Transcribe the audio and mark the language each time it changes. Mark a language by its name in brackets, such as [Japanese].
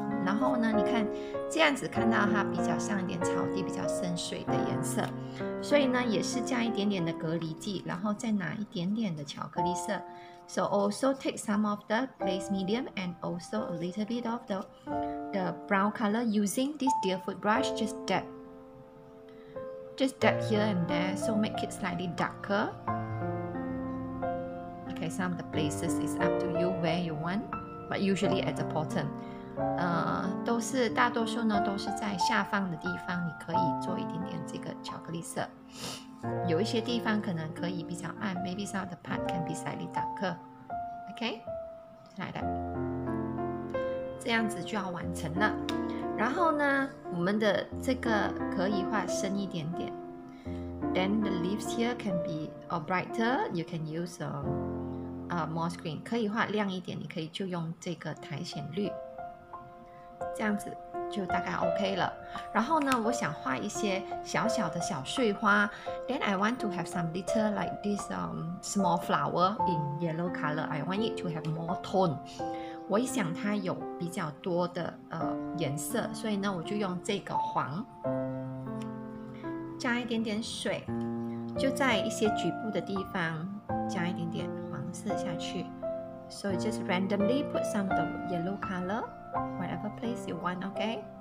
[Chinese] 然后呢你看这样子看到它比较像一点草地比较深水的颜色，所以呢也是加一点点的隔离剂，然后再拿一点点的巧克力色。 [English] So also take some of the glaze medium and also a little bit of the brown color using this deer foot brush, just dab here and there, so make it slightly darker. Okay, some of the places is up to you where you want, but usually at the bottom. [Chinese] 都是大多数呢都是在下方的地方，你可以做一点点这个巧克力色。有一些地方可能可以比较暗， [English] maybe some of the part can be slightly darker. Okay, like that. [Chinese] 这样子就要完成了。然后呢我们的这个可以画深一点点。 [English] Then the leaves here can be brighter. You can use moss green. [Chinese] 可以画亮一点，你可以就用这个苔藓绿，这样子就大概 OK 了。然后呢我想画一些小小的小碎花。 [English] Then I want to have some little like this small flower in yellow color. I want it to have more tone. [Chinese] 我一想它有比较多的颜色，所以呢我就用这个黄加一点点水，就在一些局部的地方加一点点黄色下去。 [English] So just randomly put some of the yellow color whatever place you want, okay?